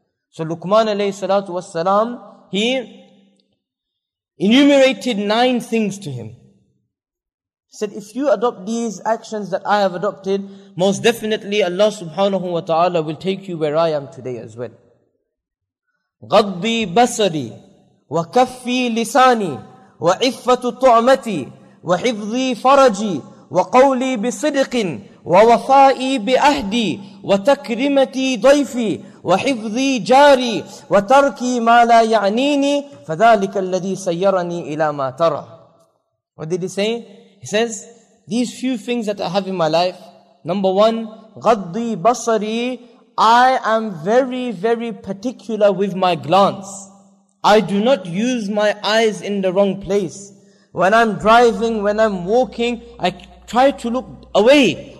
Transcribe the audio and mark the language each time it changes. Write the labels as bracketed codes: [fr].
[en] So Luqman alayhi salatu wassalam, he enumerated 9 things to him. He said, if you adopt these actions that I have adopted, most definitely Allah subhanahu wa ta'ala will take you where I am today as well. [ar] غضي بصري وكفي لساني وعفة طعمتي وحفظي فرجي وقولي بصدق ووفائي بأهدي وتكرمتي ضيفي وحفظي جاري وتركي ما لا يعنيني فذلك الذي سيرني إلى ما ترى. [en] What did he say? He says, these few things that I have in my life. Number one, [ar] غضي بصري. [en] I am very, very particular with my glance. I do not use my eyes in the wrong place. When I'm driving, when I'm walking, I try to look away.